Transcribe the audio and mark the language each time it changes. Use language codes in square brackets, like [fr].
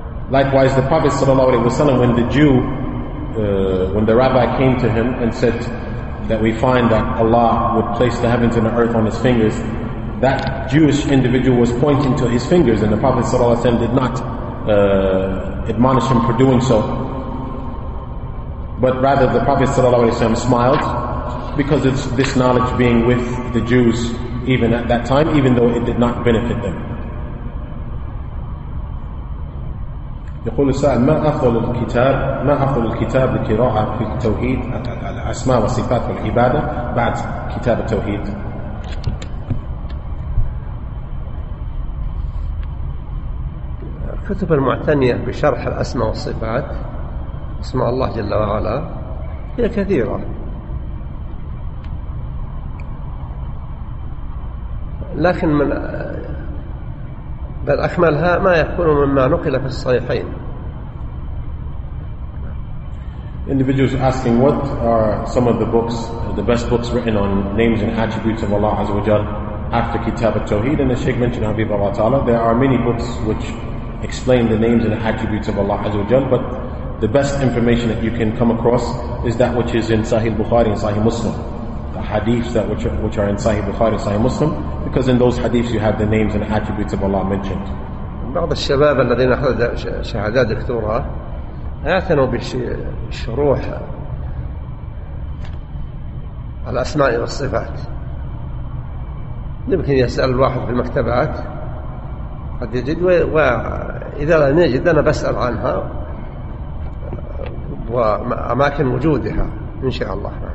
[en] Likewise, the Prophet Sallallahu Alaihi Wasallam, when the Jew, when the rabbi came to him and said that we find that Allah would place the heavens and the earth on his fingers, that Jewish individual was pointing to his fingers, and the Prophet ﷺ did not admonish him for doing so. But rather the Prophet ﷺ smiled because it's this knowledge being with the Jews even at that time, even though it did not benefit them. [ar] يقول السائل ما أفضل الكتاب ما أفضل الكتاب لقراءة في التوحيد الأسماء والصفات والعبادة بعد كتاب التوحيد؟ الكتب المعتنية بشرح الأسماء والصفات أسماء الله جل وعلا هي كثيرة، لكن من بل أكملها ما يكون مما نقل في الصحيحين. [en] Individuals asking, what are some of the books, the best books written on names and attributes of Allah Azza wa Jal after Kitab al-Tawheed? And the Shaykh mentioned Habib Allah Ta'ala, there are many books which explain the names and attributes of Allah Azza wa Jal, but the best information that you can come across is that which is in Sahih Bukhari and Sahih Muslim, the hadiths that which are in Sahih Bukhari and Sahih Muslim, because in those hadiths you have the names and attributes of Allah mentioned. [ar] بعض الشباب الذين أخذوا شهادات دكتوراه اعتنوا بشروح الأسماء والصفات. يمكن يسأل الواحد في المكتبات قد يجد، وإذا لم يجد أنا بسأل عنها وأماكن وجودها إن شاء الله.